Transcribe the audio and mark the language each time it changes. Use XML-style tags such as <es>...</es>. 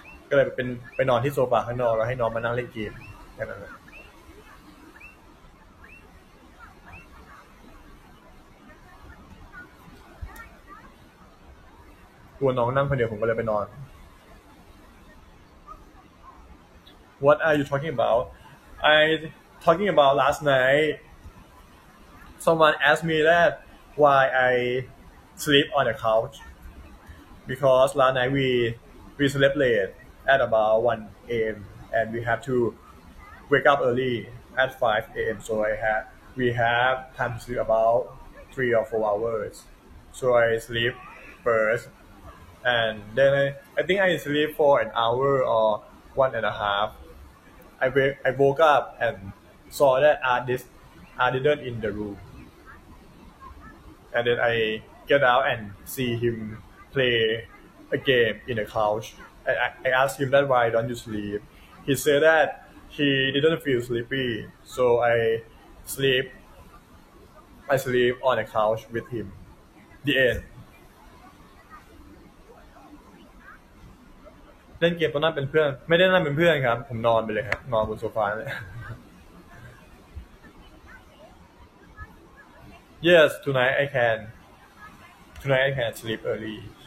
<th>ก็เลยไปนอนที่โซฟาข้างนอกแล้วให้น้องมานั่งเล่นเกมแค่นั้นแหละกลัวน้องนั่งคนเดียวผมก็เลยไปนอน</th> <en>What are you talking about? I talking about last night. Someone asked me that why I sleep on the couch. Because last night we slept late at about 1 a.m. and we have to wake up early at 5 a.m. So we have time to sleep about 3 or 4 hours. So I sleep first. And then I think I sleep for an hour or 1.5. I woke up and saw that Adidas in the room. And then I get out and see him play a game in the couch. I asked him that why don't you sleep? He said that he didn't feel sleepy. So I sleep on the couch with him. The end.</en> <th>เล่นเกมตอนนั้นเป็นเพื่อนไม่ได้นั่งเป็นเพื่อนครับผมนอนไปเลยครับนอนบนโซฟาเลย</th> <en>Yes tonight I can sleep early</en>